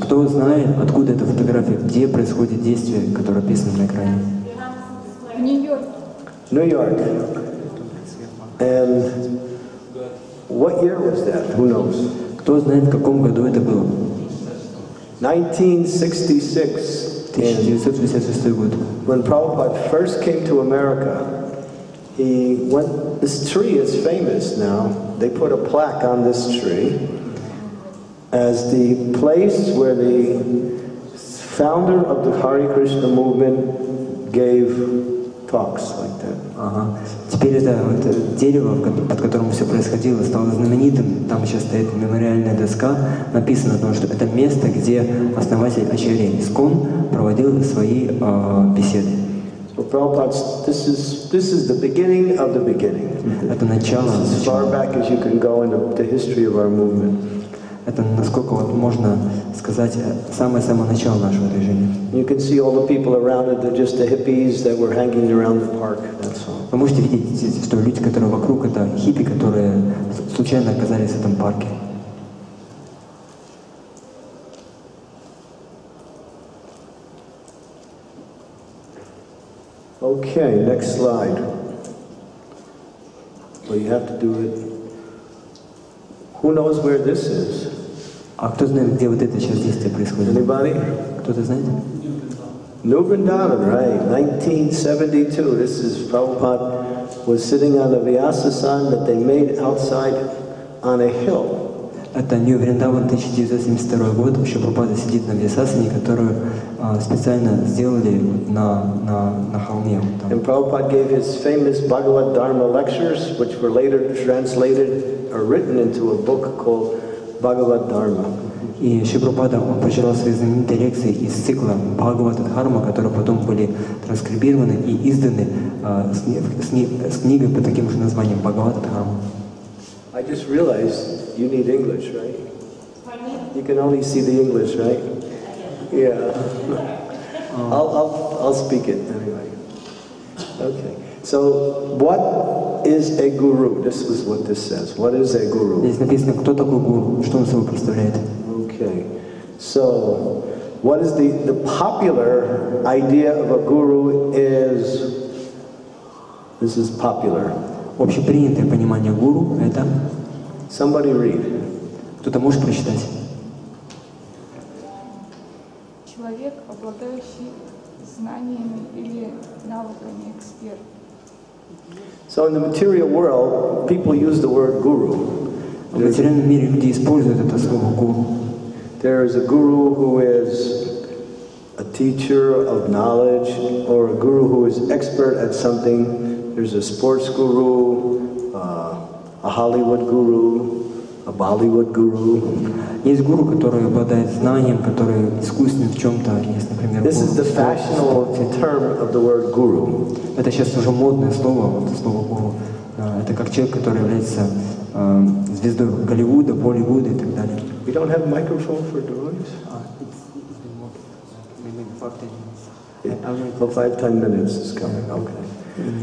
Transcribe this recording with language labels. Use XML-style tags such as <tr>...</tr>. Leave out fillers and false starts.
<ru>Кто знает, откуда эта фотография? Где происходит действие, которое описано на экране? Нью-Йорк.</ru> <en>Нью-Йорк. And what year was that? Who knows?</en> <ru>Кто знает, в каком году это было? 1966. Год.</ru> <en>When Prabhupada first came to America, he went. This tree is famous now. They put a plaque on this tree as the place where the founder of the Hare Krishna movement gave talks like that.</en> <ru>Теперь это вот дерево, под которым все происходило, стало знаменитым. Там сейчас стоит мемориальная доска. Написано о том, что это место, где основатель Ачарьи ИСККОН проводил свои беседы.</ru> <en>Well, Prabhupada, this is the beginning of the beginning.</en> <ru>Это начало.</ru> <en>As far back as you can go in the history of our movement.</en> <ru>Это насколько вот можно сказать самое-самое начало нашего движения.</ru> <en>You can see all the people around it. They're just the hippies that were hanging around the park.</en> <ru>Вы можете видеть, что люди, которые вокруг, это хиппи, которые случайно оказались в этом парке.</ru> <en>Okay, next slide. Well, you have to do it. Who knows where this is?</en> <ru>А кто знает, где вот это сейчас действие происходит?</ru> <en>Anybody?</en> <ru>Кто-то знает?</ru> <en>New Vrindavan, right. 1972. This is Prabhupada was sitting on a Vyasasan that they made outside on a hill.</en> <ru>Это New Vrindavan, 1972 год. Еще Прабхупада сидит на Вьясасане, которую специально сделали на холме. Там.</ru> <en>And Prabhupada gave his famous Bhagavad Dharma lectures, which were later translated or written into a book called Bhagavad Dharma.</en> <ru>И Шри Прабхупада, он прочитал свои знаменитые лекции из цикла «Бхагавата Дхарма», которые потом были транскрибированы и изданы с книгой под таким же названием «Бхагавата Дхарма».</ru> <en>I just realized you need English, right? Pardon? You can only see the English, right? Yeah. I'll speak it anyway. Okay. So, what is a guru? This is what this says. What is a guru?</en> <ru>Здесь написано, кто такой гуру, что он собой представляет.</ru> <en>Okay. So, what is the popular idea of a guru is... This is popular.</en> <ru>Общепринятое понимание гуру — это...</ru> <en>Somebody read.</en> <ru>Кто-то может прочитать? Человек, обладающий знаниями или навыками эксперта.</ru> <en>So in the material world, people use the word guru.</en> <ru>В материальном мире люди используют это слово гуру.</ru> <en>There is a guru who is a teacher of knowledge, or a guru who is expert at something. There's a sports guru, a Hollywood guru, a Bollywood guru.</en> <ru>Есть гуру, который обладает знанием, который искусный в чем-то. Есть, например,</ru> <en>this is the fashionable term of the word guru.</en> <ru>Это сейчас уже модное слово, вот слово гуру. Это как человек, который является звездой Голливуда, Болливуда и так далее.</ru> <en>We don't have a microphone for drawings. It's been working. Maybe 5-10 minutes. Yeah. Well, 5-10 minutes is coming. Okay.</en>